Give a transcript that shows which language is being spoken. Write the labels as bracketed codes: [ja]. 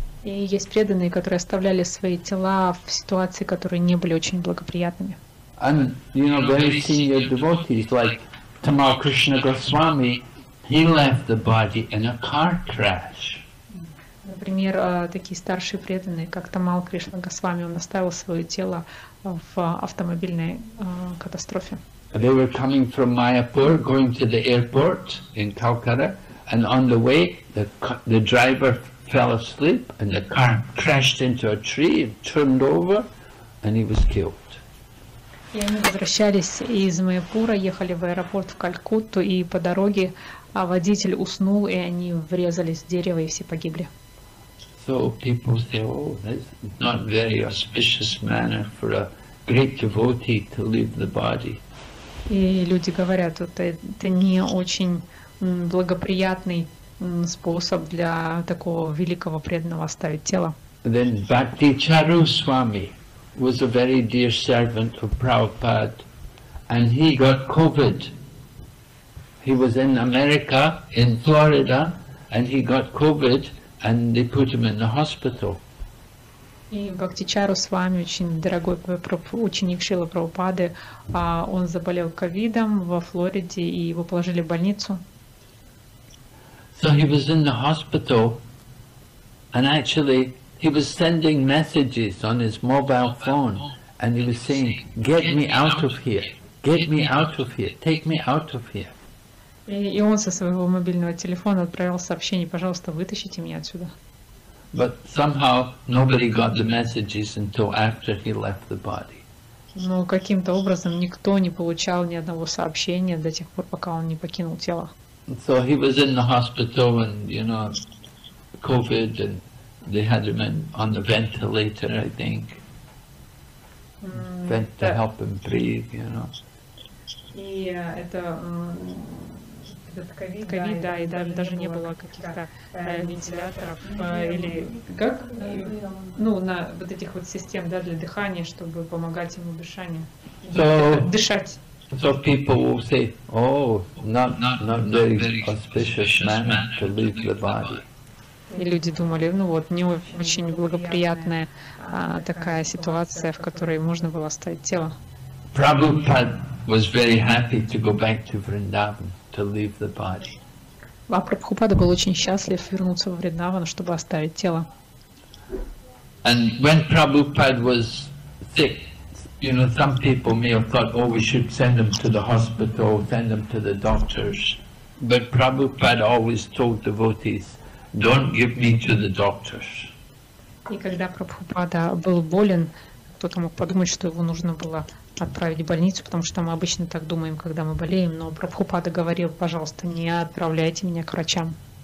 [ru] И есть преданные, которые оставляли свои тела в ситуации, которые не были очень благоприятными. [en] And you know, very senior devotees like Tamal Krishna Goswami, he left the body in a car crash. [ru] Например, такие старшие преданные, как Тамал Кришна Госвами, он оставил свое тело в автомобильной катастрофе. [en] They were coming from Mayapur, going to the airport in Calcutta, and on the way, the driver fell asleep, and the car crashed into a tree, it turned over, and he was killed. [ru] И они возвращались из Майяпура, ехали в аэропорт в Калькутту, и по дороге водитель уснул, и они врезались в дерево, и все погибли. [en] So people say, oh, that's not very auspicious manner for a great devotee to leave the body. [ru] И люди говорят, это не очень благоприятный способ для такого великого преданного оставить тело. [en] Then Bhakti Charu Swami was a very dear servant of Prabhupada, and he got COVID. He was in America, in Florida, and he got COVID. And they put him in the hospital. [ru] И Бхактичару Свами, очень дорогой ученик Шрилы Прабхупады, он заболел ковидом во Флориде, и его положили в больницу. [en] So he was in the hospital, and actually he was sending messages on his mobile phone, and he was saying, get me out of here, get me out of here, take me out of here. [ru] И он со своего мобильного телефона отправил сообщение: пожалуйста, вытащите меня отсюда. [en] But somehow nobody got the messages until after he left the body. [ru] Но каким-то образом никто не получал ни одного сообщения до тех пор, пока он не покинул тело. [en] So he was in the hospital and, you know, COVID, and they had him on the ventilator, I think. To help him breathe, you know. [ru] И это... ковид, да, и даже не было каких-то вентиляторов, или как, ну, на вот этих вот систем, да, для дыхания, чтобы помогать ему дышание, дышать. [en] So people will say, oh, not very auspicious manner to leave the body. [ru] И люди думали, ну вот, не очень благоприятная такая ситуация, в которой можно было оставить тело. [en] Prabhupada was very happy to go back to Vrindavan. To leave the body. [ru] А Прабхупада был очень счастлив вернуться во Вриндаван, чтобы оставить тело. [en] And when Prabhupada was sick, you know, some people may have thought, oh, we should send him to the hospital, send him to the doctors. But Prabhupada always told devotees, don't give me to the doctors. [ru] И когда Прабхупада был болен, кто-то мог подумать, что его нужно было отправить в больницу, потому что мы обычно так думаем, когда мы болеем, но Прабхупада говорил, пожалуйста, не отправляйте меня к врачам.